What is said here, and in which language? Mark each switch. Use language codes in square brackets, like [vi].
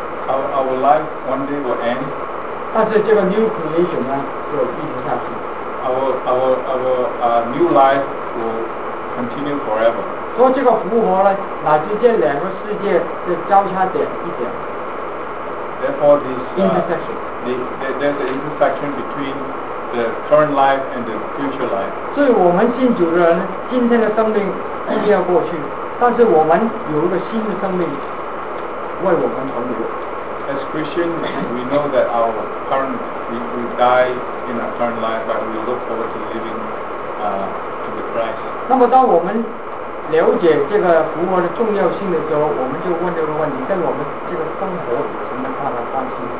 [en] Our life one day will end. [zh] 但是这个 new creation 呢，就一直下去。 [en] Our new life will continue forever. [zh] 所以这个复活呢，乃至这两个世界的交叉点一点。 [en] Therefore, this intersection. There's an intersection between the current life and the future life. [zh] 所以我们信主的人，今天的生命一定要过去，但是我们有一个新的生命为我们存留。 [en] As Christians, we know that our current we die in our current life, but we look forward to living to the Christ. [zh] 那么当我们了解这个复活的重要性的时候，我们就问这个问题，跟我们这个生活有什么大的关系？